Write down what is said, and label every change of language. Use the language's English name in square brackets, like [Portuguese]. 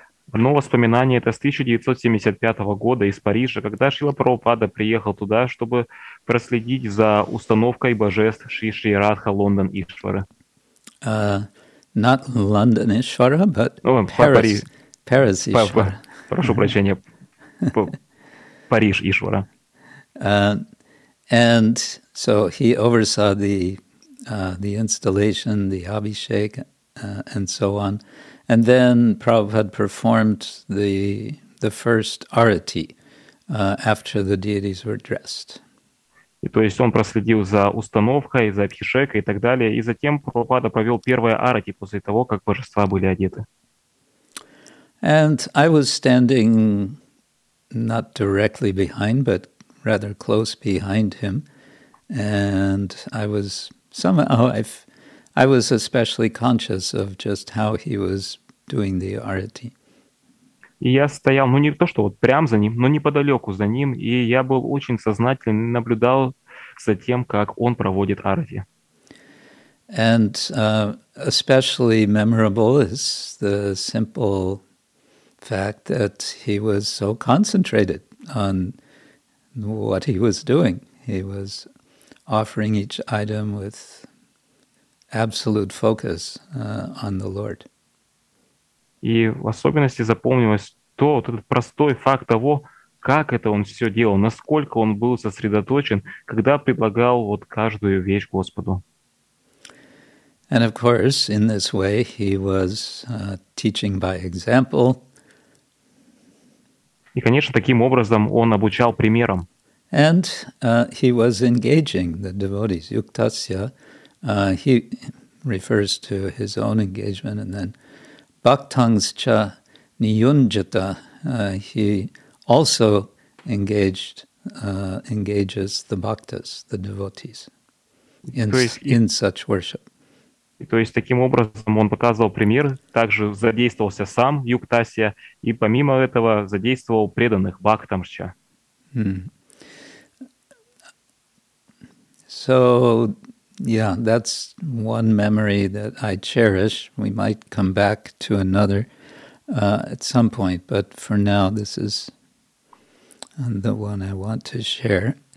[Russian] Одно воспоминание это с 1975 года из Парижа, когда Шрила Прабхупада приехал туда, чтобы проследить за установкой божеств Шиши Радха Лондон Ишвара. [English] Not London Ishvara, but Paris Ishvara. [Russian] Прошу прощения, Париж Ишвара. [English] And so he oversaw the installation, the Abhishek, and so on. And then Prabhupada performed the first arati after the deities were dressed. [Russian] И то есть он проследил за установкой, за абхишекой и так далее, и затем Прабхупада провел первое арати после того, как божества были одеты. [English] And I was standing not directly behind, but rather close behind him, and I was somehow I was especially conscious of just how he was doing the arati. [Russian] И я стоял, ну не то, что вот прям за ним, но неподалеку за ним, и я был очень сознательным, наблюдал за тем, как он проводит арати. [English] And especially memorable is the simple fact that he was so concentrated on what he was doing. He was offering each item with absolute focus on the Lord. [Russian] И в особенности запомнилось то, вот этот простой факт того, как это он все делал, насколько он был сосредоточен, когда предлагал вот каждую вещь Господу. [English] And of course, in this way, he was teaching by example. [Russian] И, конечно, таким образом он обучал примером. [English] And he was engaging the devotees. Yuktasya, he refers to his own engagement and then [Sanskrit] Bhaktangscha niyunjata, [English] he also engages the bhaktas, the devotees, in such worship. [Russian] То есть таким образом он показывал пример, также задействовался сам Юктасия и помимо этого задействовал преданных бхактамсча. [English] So, yeah, that's one memory that I cherish. We might come back to another at some point, but for now this is the one I want to share.